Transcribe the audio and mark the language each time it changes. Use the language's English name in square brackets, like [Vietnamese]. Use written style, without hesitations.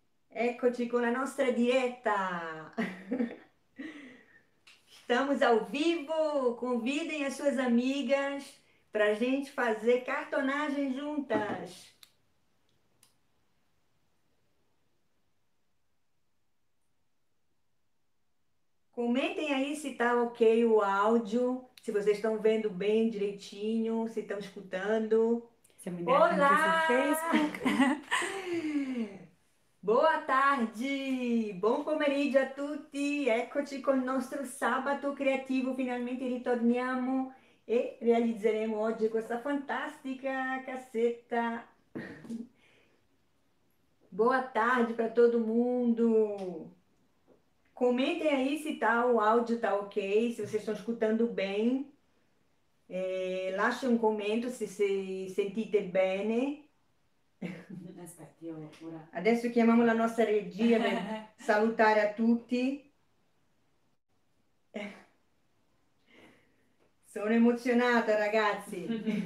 [Italian] Eccoci con la nostra diretta! [Portuguese] Estamos ao vivo, convidem as suas amigas para a gente fazer cartonagem juntas. Comentem aí se está ok o áudio, se vocês estão vendo bem direitinho, se estão escutando. Você me deu como que esse Olá! Facebook. Boa tarde, [Italian] bom pomeriggio a tutti, eccoci con il nostro sabato creativo, finalmente ritorniamo e realizzeremo oggi questa fantastica cassetta. [Portuguese] Boa tarde para todo mundo, comentem aí se tá, o áudio tá ok, se vocês estão escutando bem, [Italian] lasciate un commento se sentite bene. Aspetti, io ora. Adesso chiamiamo la nostra regia per salutare a tutti. Sono emozionata, ragazzi.